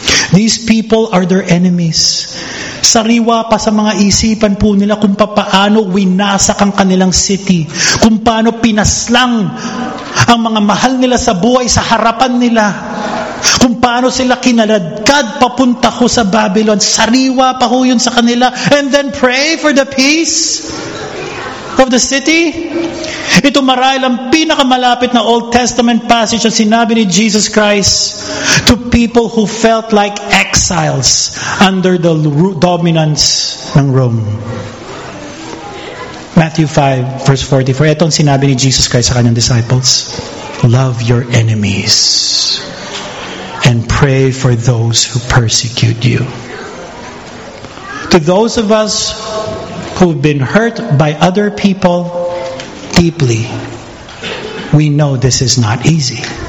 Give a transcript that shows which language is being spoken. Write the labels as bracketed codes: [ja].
[en] These people are their enemies. [tl] Sariwa pa sa mga isipan po nila kung paano winasak ang kanilang city. Kung paano pinaslang ang mga mahal nila sa buhay sa harapan nila. Kung paano sila kinaladkad papunta ko sa Babylon. Sariwa pa ho yun sa kanila. [en] And then pray for the peace of the city? [tl] Ito marahil ang pinakamalapit na [en] Old Testament passage na sinabi ni Jesus Christ to people who felt like exiles under the dominance ng Rome. Matthew 5, verse 44. [tl] Ito ang sinabi ni Jesus Christ sa kanyang disciples. [en] Love your enemies and pray for those who persecute you. To those of us who've been hurt by other people deeply, we know this is not easy.